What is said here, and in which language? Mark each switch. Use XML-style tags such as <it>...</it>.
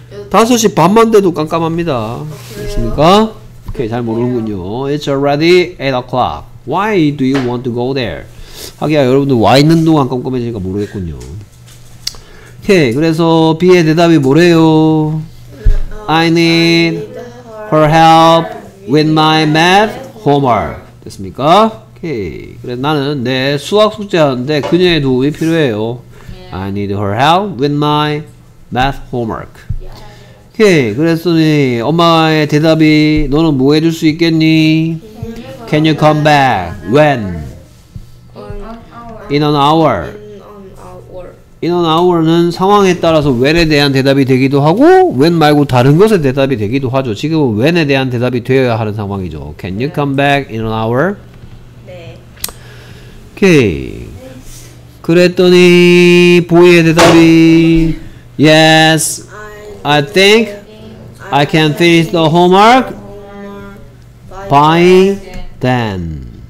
<ko>5시 반만 돼도 깜깜합니다. 됐습니까? 오케이, 잘 모르는군요.</ko> <en>It's already 8 o'clock. Why do you want to go there?</en> <ko>하기야, 여러분들 와 있는 동안 껌껌해지니까 모르겠군요. 오케이, 그래서 B의 대답이 뭐래요?</ko> <en>I need her help with my math homework.</en> <ko>됐습니까? 오케이, 그래 나는 내 수학 숙제하는데 그녀의 도움이 필요해요.</ko> <en>I need her help with my math homework.</en> <ko>오케이 그랬더니 엄마의 대답이 너는 뭐 해줄 수 있겠니?</ko> <en>Can you come back? When? In an hour. In an hour</en> <ko>는 상황에 따라서 when에 대한 대답이 되기도 하고 when 말고 다른 것에 대답이 되기도 하죠. 지금은 when에 대한 대답이 되어야 하는 상황이죠.</ko> <en>Can you come back in an hour?</en> <ko>네. 오케이 그랬더니 보이의 대답이 yes.</ko> <en>I think I can finish the homework by then.</en>